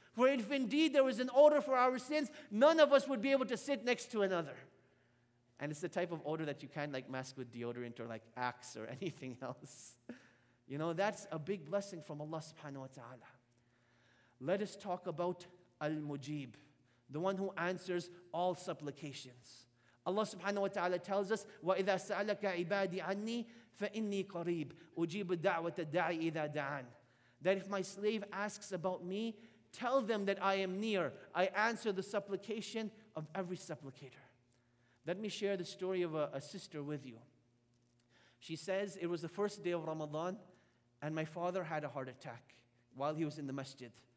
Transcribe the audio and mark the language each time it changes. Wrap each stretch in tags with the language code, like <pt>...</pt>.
<en>For if indeed there was an odor for our sins, none of us would be able to sit next to another." And it's the type of odor that you can't like mask with deodorant or like Axe or anything else. You know, that's a big blessing from Allah subhanahu wa ta'ala. Let us talk about Al-Mujib, the one who answers all supplications.</en> <ar>Allah subhanahu wa ta'ala</ar> <en>tells us,</en> <ar>وَإِذَا سَأَلَكَ عِبَادِي عَنِّي فَإِنِّي قَرِيبٌ أُجِيبُ الدَّعْوَةَ الدَّاعِي إِذَا دَعَانِ.</ar> <en>That if my slave asks about me, tell them that I am near. I answer the supplication of every supplicator. Let me share the story of a sister with you. She says, it was the first day of Ramadan and my father had a heart attack while he was in the masjid.</en>